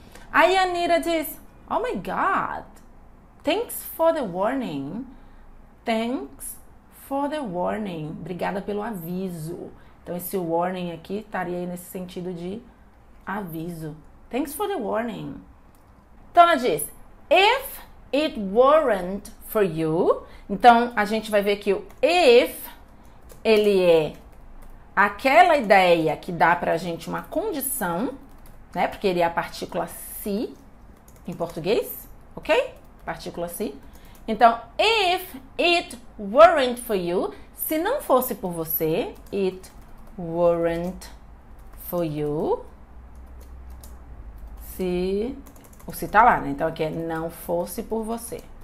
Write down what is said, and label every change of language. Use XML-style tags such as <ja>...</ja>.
<pt>Aí a Anira diz:</pt> <en>Oh my God! Thanks for the warning. Thanks for the warning.</en> <pt>Obrigada pelo aviso. Então, esse warning aqui estaria aí nesse sentido de aviso.</pt> <en>Thanks for the warning.</en> <pt>Então, ela diz:</pt> <en>If it weren't for you.</en> <pt>Então, a gente vai ver que o if ele é aquela ideia que dá pra gente uma condição, né? Porque ele é a partícula se em português, ok? Partícula se. Então,</pt> <en>if it weren't for you,</en> <pt>se não fosse por você,</pt> <en>it weren't for you,</en> <pt>se, o se tá lá, né? Então, aqui é não fosse por você.</pt>